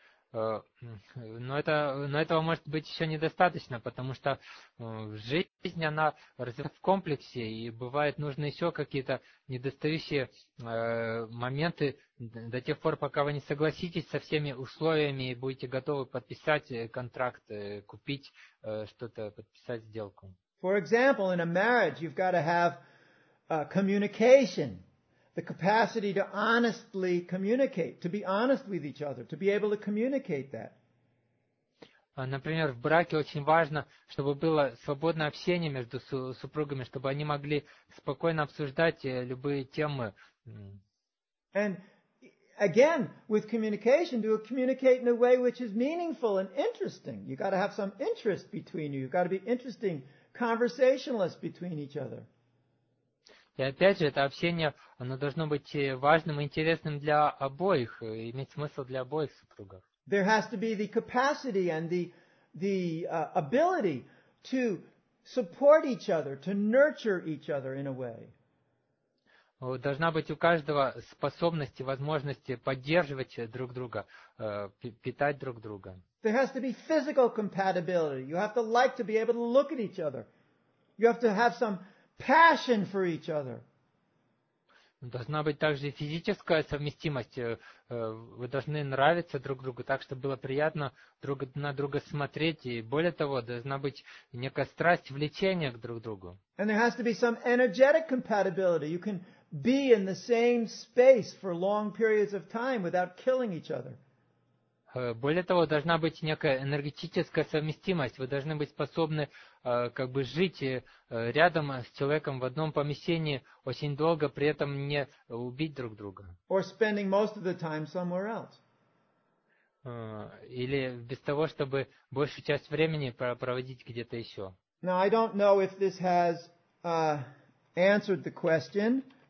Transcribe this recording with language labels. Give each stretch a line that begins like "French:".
Russian: Но это может быть еще недостаточно, потому что жизнь, она развивается в комплексе, и бывает нужно еще какие-то недостающие моменты до тех пор, пока вы не согласитесь со всеми условиями и будете готовы подписать контракт, купить что-то, подписать сделку.
English: For example, in a marriage you've got to have communication. The capacity to honestly communicate, to be honest with each other, to be able to communicate that.
Russian: Например, в браке очень важно, чтобы было свободное общение между супругами, чтобы они могли спокойно обсуждать любые темы.
English: And again, with communication, to communicate in a way which is meaningful and interesting. You've got to have some interest between you. You've got to be interesting conversationalists between each other.
Russian: И опять же, это общение, оно должно быть важным и интересным для обоих, иметь смысл для обоих супругов.
English: There has to be the capacity and the ability to support each other, to nurture each other in a way.
Russian: Должна быть у каждого способность и возможность поддерживать друг друга, питать друг друга.
English: There has to be physical compatibility. You have to like to be able to look at each other. You have to have some passion for each other.
Russian: Должна быть также физическая совместимость. Вы должны нравиться друг другу так, чтобы было приятно друг на друга смотреть. И более того, должна быть некая страсть, влечение к друг другу.
English: And there has to be some energetic compatibility. You can be in the same space for long periods of time without killing each other.
Russian: Более того, должна быть некая энергетическая совместимость. Вы должны быть способны как бы жить рядом с человеком в одном помещении очень долго, при этом не убить друг друга.
English: Or spending most of the time somewhere else.
Russian: Или без того, чтобы большую часть времени проводить где-то еще.
English: Now, I don't know if this has answered the question.